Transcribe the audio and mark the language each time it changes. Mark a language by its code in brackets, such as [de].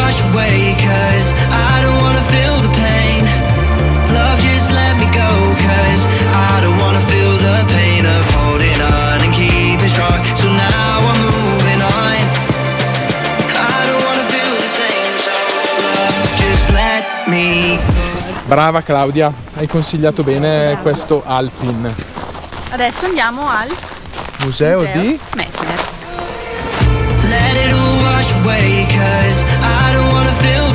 [en] Away, 'cause I don't wanna feel the pain. Love, just let me go, 'cause I don't wanna feel the pain of holding on and keeping strong. So now I'm moving on. I don't wanna feel the same, so love, just let me go. [it] Brava Claudia, hai consigliato bene questo Alpin. Adesso andiamo al museo di Messner. [en] Let it all wash away, 'cause